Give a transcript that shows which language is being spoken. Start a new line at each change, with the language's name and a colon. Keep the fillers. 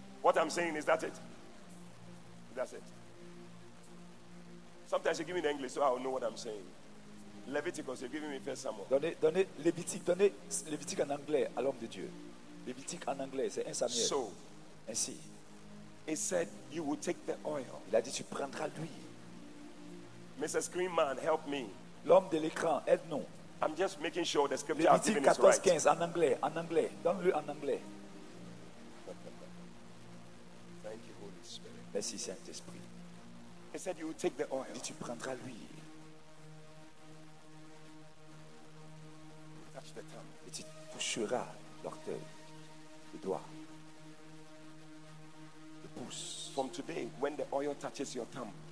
English: What I'm saying, is that it? That's it. Sometimes you give me the English so I'll know what I'm saying. Leviticus, you're giving me first Samuel.
French: Donnez, donnez, Levitique, donnez, Leviticus. en anglais à l'homme de Dieu. Levitique en anglais, c'est un Samuel.
English: So,
French: Ainsi.
English: It said you will take the oil.
French: Il a dit, tu prendras l'huile.
English: Mr. Screen help me.
French: L'homme de l'écran, aide-nous.
English: I'm just making sure the 10, 14, 15, is right.
French: en anglais, en anglais. Donne-le en anglais.
English: Thank you, Holy Spirit.
French: Merci, Saint-Esprit.
English: He said you will
French: Et tu prendras l'huile. Et tu toucheras l'orteil, le doigt, le pouce.
English: From today, when the oil touches your thumb.